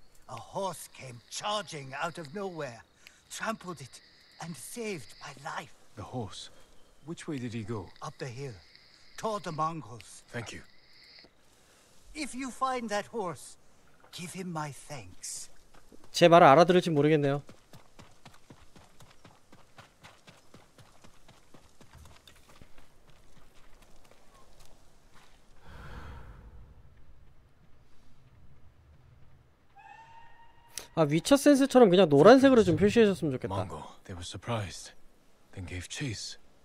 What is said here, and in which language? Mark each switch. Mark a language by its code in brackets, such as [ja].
[en] A horse came charging out of nowhere, trampled it, and saved my life. The horse? Which way did he go? Up the hill, toward the Mongols. Thank you. If you find that horse, give him my thanks. [ko] 제 말을 알아들을지 모르겠네요. 아, 위쳐 센스처럼 그냥 노란색으로 좀 표시해줬으면 좋겠다. [en] Mongo, they were surprised, then gave chase.